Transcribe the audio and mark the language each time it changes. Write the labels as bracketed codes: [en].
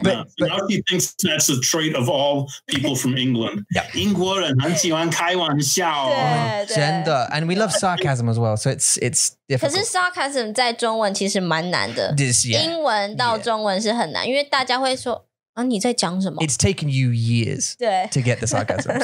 [en] But now she thinks that's a trait of all people from England. Yeah. [zh] 英国人很喜欢开玩笑. 对,真的. [en] And we love sarcasm as well. So it's difficult. [zh] 可是 sarcasm 在中文其实蛮难的. [en] This, yeah. [zh] 英文到中文是很难, 因为大家会说, 啊, 你在讲什么? [en] It's taken you years to get the sarcasm.